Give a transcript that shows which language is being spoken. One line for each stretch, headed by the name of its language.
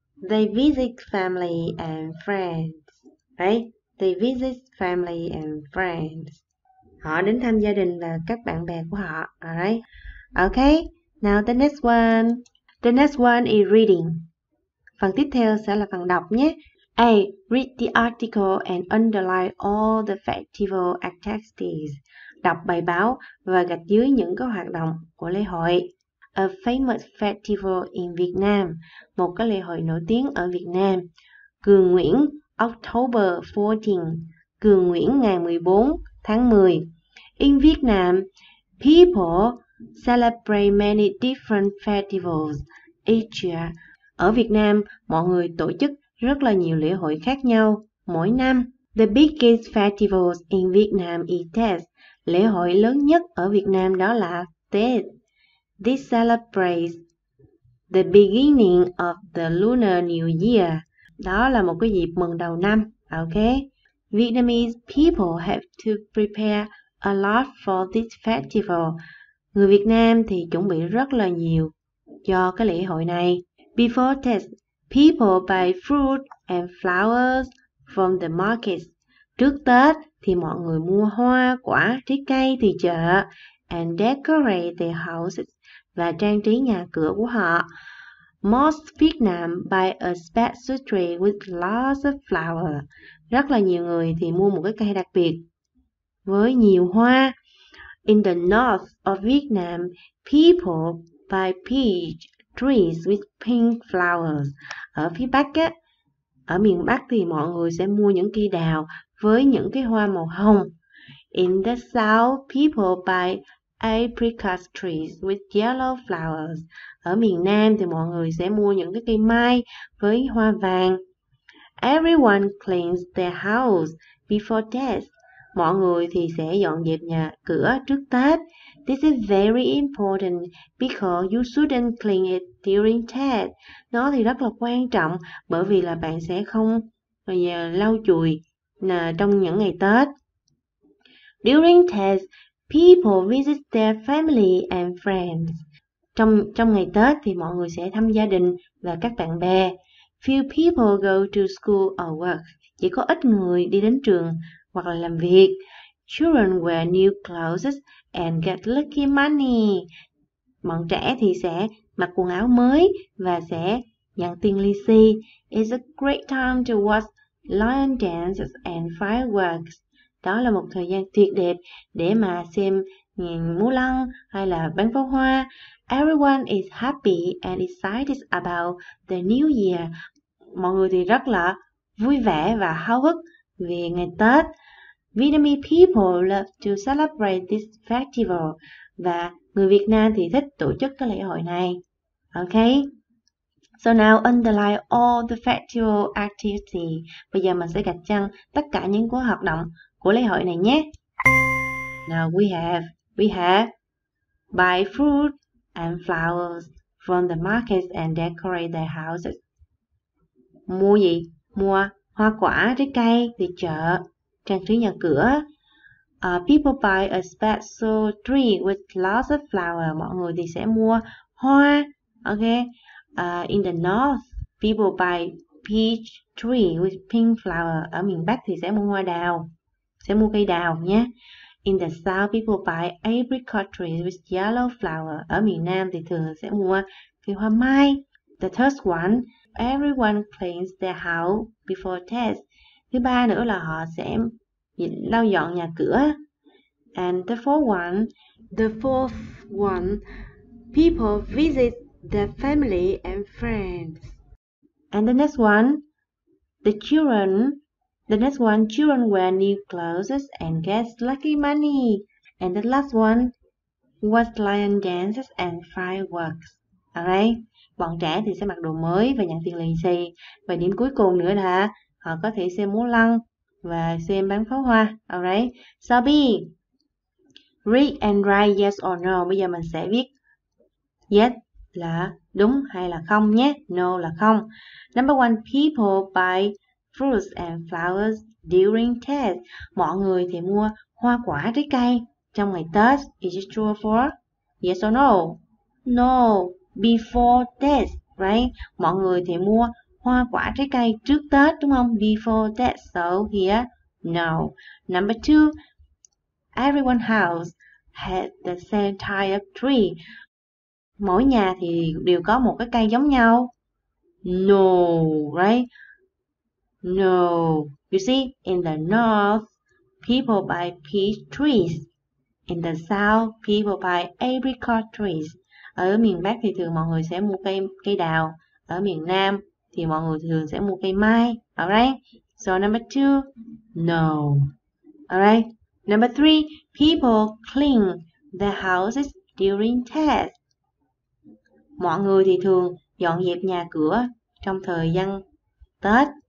English: They visit family and friends, right? They visit family and friends.
Vietnamese: Họ đến thăm gia đình và các bạn bè của họ, alright?
English: Okay, now the next one. The next one is reading.
Vietnamese: Phần tiếp theo sẽ là phần đọc nhé.
English: A. Read the article and underline all the festival activities.
Vietnamese: Đọc bài báo và gạch dưới những cái hoạt động của lễ hội.
English: A famous festival in Vietnam,
Vietnamese: một cái lễ hội nổi tiếng ở Việt Nam. Cường Nguyễn,
English: October 14,
Vietnamese: Cường Nguyễn ngày 14 tháng 10.
English: In Vietnam, people celebrate many different festivals each year.
Vietnamese: Ở Việt Nam, mọi người tổ chức rất là nhiều lễ hội khác nhau mỗi năm.
English: The biggest festivals in Vietnam is Tết.
Vietnamese: Lễ hội lớn nhất ở Việt Nam đó là Tết.
English: This celebrates the beginning of the Lunar New Year.
Vietnamese: Đó là một cái dịp mừng đầu năm.
English: Okay. Vietnamese people have to prepare a lot for this festival.
Vietnamese: Người Việt Nam thì chuẩn bị rất là nhiều cho cái lễ hội này.
English: Before Tết, people buy fruit and flowers from the markets.
Vietnamese: Trước Tết thì mọi người mua hoa, quả, trái cây từ chợ
English: and decorate their houses.
Vietnamese: Và trang trí nhà cửa của họ.
English: Most Vietnam buy a special tree with lots of flowers.
Vietnamese: Rất là nhiều người thì mua một cái cây đặc biệt với nhiều hoa.
English: In the north of Vietnam, people buy peach trees with pink flowers.
Vietnamese: Ở phía Bắc á, ở miền Bắc thì mọi người sẽ mua những cây đào với những cái hoa màu hồng.
English: In the south, people buy apricot trees with yellow flowers.
Vietnamese: Ở miền Nam thì mọi người sẽ mua những cái cây mai với hoa vàng.
English: Everyone cleans their house before Tết.
Vietnamese: Mọi người thì sẽ dọn dẹp nhà cửa trước Tết.
English: This is very important because you shouldn't clean it during Tết.
Vietnamese: Nó thì rất là quan trọng bởi vì là bạn sẽ không lau chùi trong những ngày Tết.
English: During Tết, people visit their family and friends.
Vietnamese: Trong ngày Tết thì mọi người sẽ thăm gia đình và các bạn bè.
English: Few people go to school or work.
Vietnamese: Chỉ có ít người đi đến trường hoặc là làm việc.
English: Children wear new clothes and get lucky money.
Vietnamese: Bọn trẻ thì sẽ mặc quần áo mới và sẽ nhận tiền lì xì.
English: It's a great time to watch lion dances and fireworks.
Vietnamese: Đó là một thời gian tuyệt đẹp để mà xem múa lân hay là bắn pháo hoa.
English: Everyone is happy and excited about the new year.
Vietnamese: Mọi người thì rất là vui vẻ và háo hức về ngày Tết.
English: Vietnamese people love to celebrate this festival.
Vietnamese: Và người Việt Nam thì thích tổ chức cái lễ hội này. Okay.
English: So now underline all the festival activity.
Vietnamese: Bây giờ mình sẽ gạch chân tất cả những cái hoạt động của lễ hội này nhé.
English: Now we have buy fruit and flowers from the markets and decorate their houses.
Vietnamese: Mua gì? Mua hoa quả, trái cây từ chợ, trang trí nhà cửa.
English: People buy a special tree with lots of flowers.
Vietnamese: Mọi người thì sẽ mua hoa.
English: Okay. In the north, people buy peach tree with pink flower.
Vietnamese: Ở miền Bắc thì sẽ mua hoa đào. Sẽ mua cây đào nhé.
English: In the south, people buy apricot trees with yellow flower.
Vietnamese: Ở miền Nam thì thường sẽ mua cây hoa mai.
English: The third one, everyone cleans their house before Tết.
Vietnamese: Thứ ba nữa là họ sẽ lau dọn nhà cửa.
English: And the fourth one, people visit their family and friends. And the next one, children wear new clothes and get lucky money. And the last one, watch lion dances and fireworks.
Vietnamese: Alright, bọn trẻ thì sẽ mặc đồ mới và nhận tiền lì xì. Và điểm cuối cùng nữa là họ có thể xem múa lân và xem bắn pháo hoa.
English: Alright, so B, read and write yes or no.
Vietnamese: Bây giờ mình sẽ viết yes là đúng hay là không nhé. No là không.
English: Number one, people buy fruits and flowers during Tết.
Vietnamese: Mọi người thì mua hoa quả trái cây trong ngày Tết.
English: Is it true for? Yes or no? No, before Tết, right?
Vietnamese: Mọi người thì mua hoa quả trái cây trước Tết, đúng không?
English: Before Tết, so here, no. Number two, everyone house had the same type of tree.
Vietnamese: Mỗi nhà thì đều có một cái cây giống nhau.
English: No, right? No, you see, in the north, people buy peach trees. In the south, people buy apricot trees.
Vietnamese: Ở miền Bắc thì thường mọi người sẽ mua cây đào. Ở miền Nam thì mọi người thường sẽ mua cây mai.
English: Alright, so number two, no. Alright, number three, people clean their houses during Tết.
Vietnamese: Mọi người thì thường dọn dẹp nhà cửa trong thời gian Tết.